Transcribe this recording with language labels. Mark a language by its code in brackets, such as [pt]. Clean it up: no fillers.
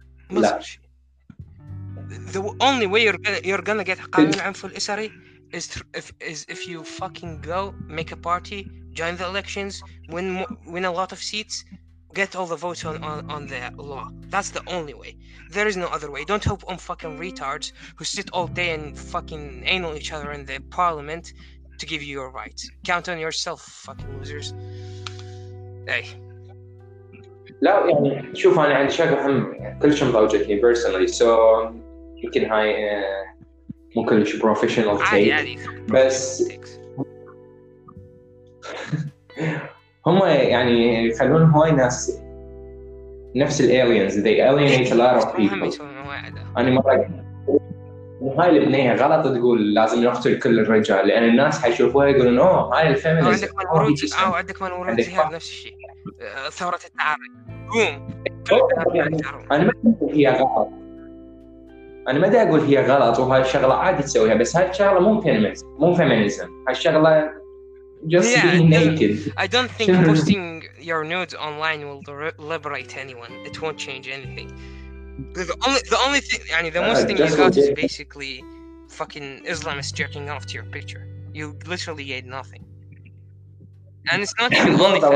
[ar] لا. [en] The only way you're gonna get [ar] قانون العنف الأسري [en] is if you fucking go make a party, join the elections, win a lot of seats, get all the votes on the law. That's the only way. There is no other way. Don't hope on fucking retards who sit all day and fucking anal each other in the parliament to give you your rights. Count on yourself, fucking losers. Hey. [ar] لا يعني شوف أنا عندي شغل مهم كلش مضايقني [en] personally. So [ar] يمكن هاي مو كلش [en] professional take. [ar] عادي بس. هما يعني يخلون هواي ناس نفس الالينز، [en] they alienate a lot of people. [ar] انا مره هاي البنيه غلط تقول لازم نقتل كل الرجال، لان الناس حيشوفوها يقولون اوه هاي الفيمينيست. عندك من ورود او عندك من ورود زهير نفس الشيء، ثوره التعري بوم. انا ما اقول هي غلط، انا ما ادري اقول هي غلط، وهاي الشغله عادي تسويها، بس هاي الشغله مو فيمينيست، مو فيمينيزم هالشغله. [en] Just yeah, being naked. I don't think posting your nudes online will liberate anyone. It won't change anything. The only thing, I mean, the most thing you got is basically fucking Islamists jerking off to your picture. You literally get nothing. And it's not even only fans.